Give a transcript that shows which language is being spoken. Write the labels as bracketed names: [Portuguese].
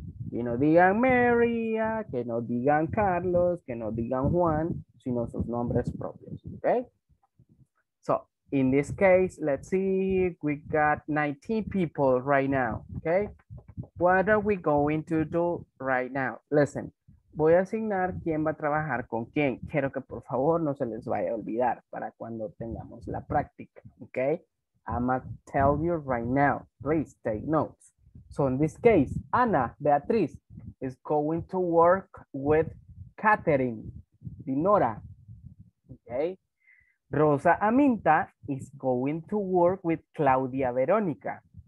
[Spanish] Que no digan María, que no digan Carlos, que no digan Juan, sino sus nombres propios. ¿Ok? [English] So, in this case, let's see, we got 19 people right now. ¿Ok? What are we going to do right now? Listen, [Spanish] voy a asignar quién va a trabajar con quién. Quiero que por favor no se les vaya a olvidar para cuando tengamos la práctica, ¿ok? [English] I'ma tell you right now, please take notes. So in this case, Ana Beatriz is going to work with Catherine Dinora, ¿ok? Rosa Aminta is going to work with Claudia Verónica.